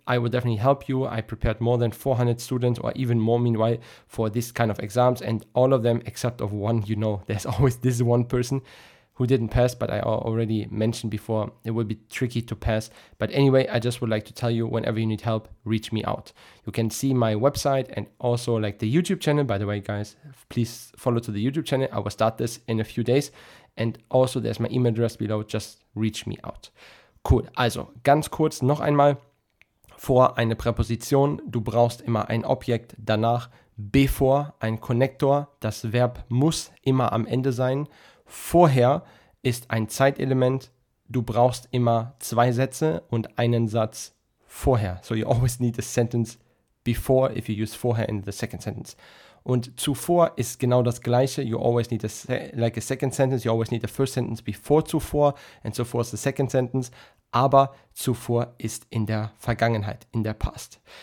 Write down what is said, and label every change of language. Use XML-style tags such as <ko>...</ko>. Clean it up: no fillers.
<en>I will definitely help you. I prepared more than 400 students or even more meanwhile for this kind of exams, and all of them except of one, you know, there's always this one person who didn't pass, but I already mentioned before it will be tricky to pass. But anyway, I just would like to tell you, whenever you need help, reach me out. You can see my website and also like the YouTube channel. By the way, guys, please follow to the YouTube channel. I will start this in a few days. And also there's my email address below. Just reach me out. Cool.</en> <de>Also ganz kurz noch einmal vor eine Präposition. Du brauchst immer ein Objekt. Danach bevor ein Konnektor. Das Verb muss immer am Ende sein. Vorher ist ein Zeitelement, du brauchst immer zwei Sätze und einen Satz vorher.</de> <en>So you always need a sentence before if you use vorher in the second sentence.</en> <de>Und zuvor ist genau das gleiche,</de> <en>you always need a second sentence, you always need a first sentence before zuvor, and so forth is the second sentence,</en> <de>aber zuvor ist in der Vergangenheit, in der past.</de>